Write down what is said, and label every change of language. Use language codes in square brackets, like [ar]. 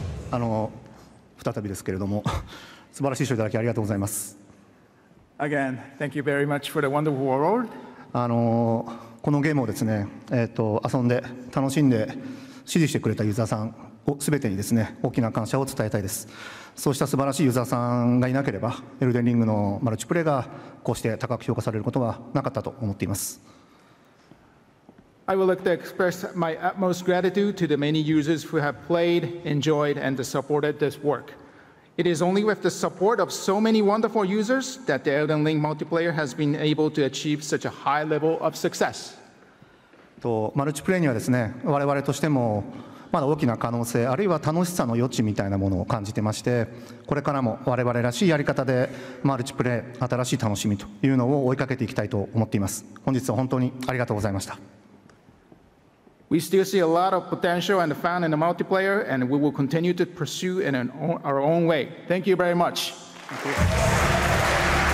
[ja] あの再びですけれども素晴らしい賞いただきありがとうございます [en] Again, thank you very much for the wonderful world. [ja] あのこのゲームをですね、遊んで楽しんで支持してくれたユーザーさんを全てにですね大きな感謝を伝えたいですそうした素晴らしいユーザーさんがいなければエルデンリングのマルチプレイがこうして高く評価されることはなかったと思っています [en] I would like to express my utmost gratitude to the many users who have played, enjoyed, and supported this work. It is only with the support of so many wonderful users that the Elden Ring multiplayer has been able to achieve such a high level of success. [ja] とマルチプレイにはですね、我々としてもまだ大きな可能性、あるいは楽しさの余地みたいなものを感じてまして、これからも我々らしいやり方でマルチプレイ、新しい楽しみというのを追いかけていきたいと思っています。本日は本当にありがとうございました。 [en] We still see a lot of potential and fun in the multiplayer, and we will continue to pursue in our own way. Thank you very much. Thank you.